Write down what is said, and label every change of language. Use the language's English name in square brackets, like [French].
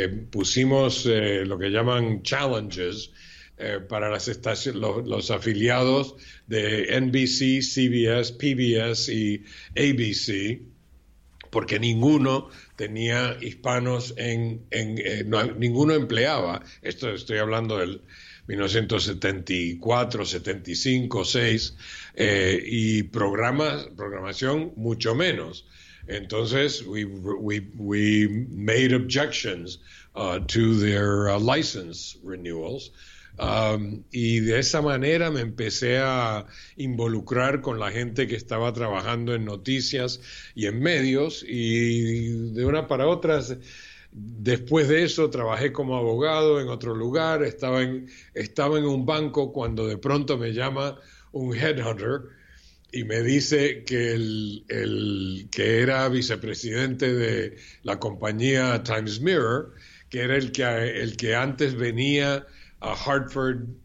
[Spanish] Pusimos lo que llaman challenges para las los afiliados de NBC, CBS, PBS y ABC, porque ninguno tenía hispanos ninguno empleaba. Esto estoy hablando del 1974, 75, 6, y programación mucho menos. Entonces, [English] we made objections to their license renewals. [Spanish] Y de esa manera me empecé a involucrar con la gente que estaba trabajando en noticias y en medios, y de una para otra. Después de eso trabajé como abogado en otro lugar, estaba en un banco cuando de pronto me llama un headhunter y me dice que el que era vicepresidente de la compañía Times Mirror, que era el que antes venía a Hartford